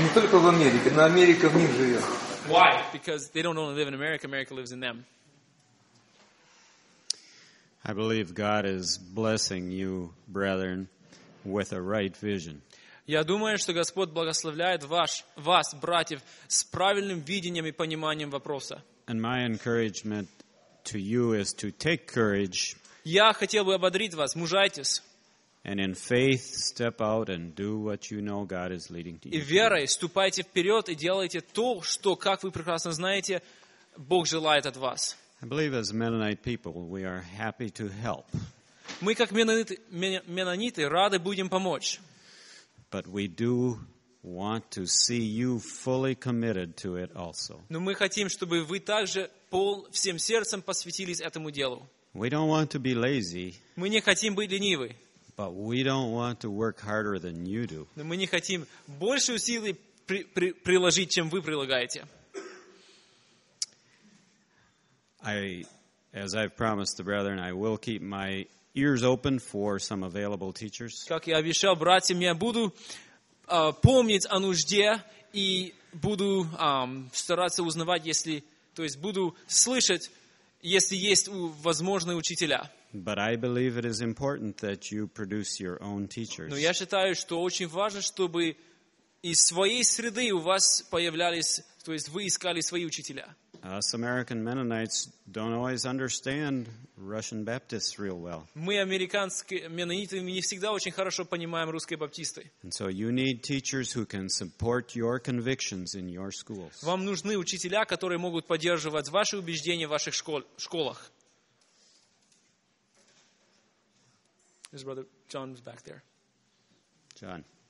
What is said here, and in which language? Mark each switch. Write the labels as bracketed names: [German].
[English] Why? Because they don't only live in America, America lives in them. I believe God is blessing you, brethren, with a right vision. [Russian] Я думаю, что Господь благословляет вас, братьев, с правильным видением и пониманием вопроса. [English] And my encouragement to you is to take courage. [Russian] Я хотел бы ободрить вас, мужайтесь. [English] And in faith, step out and do what you know God is leading to you. [Russian] И верой ступайте вперед и делайте то, что, как вы прекрасно знаете, Бог желает от вас. [English] I believe as Mennonite people, we are happy to help. [Russian] Мы как Менониты рады будем помочь. [English] But we do want to see you fully committed to it also. [Russian] Но мы хотим, чтобы вы также всем сердцем посвятились этому делу. [English] We don't want to be lazy. [Russian] Мы не хотим быть ленивы. [English] But we don't want to work harder than you do. [Russian] Но мы не хотим больше усилий приложить, чем вы прилагаете. [English] As I've promised the brethren, I will keep my ears open for some available teachers. [Russian] Как я обещал братьям, я буду помнить о нужде и буду стараться узнавать, если, то есть буду слышать, если есть возможные учителя. [English] But I believe it is important that you produce your own teachers. [Russian] Но я считаю, что очень важно, чтобы из своей среды у вас появлялись, то есть вы искали свои учителя. [English] Us American Mennonites don't always understand Russian Baptists real well. [Russian] Мы американские менониты не всегда очень хорошо понимаем русские баптисты. [English] And so you need teachers who can support your convictions in your schools. [Russian] Вам нужны учителя, которые могут поддерживать ваши убеждения в ваших школах. [English] His brother John was back there. John.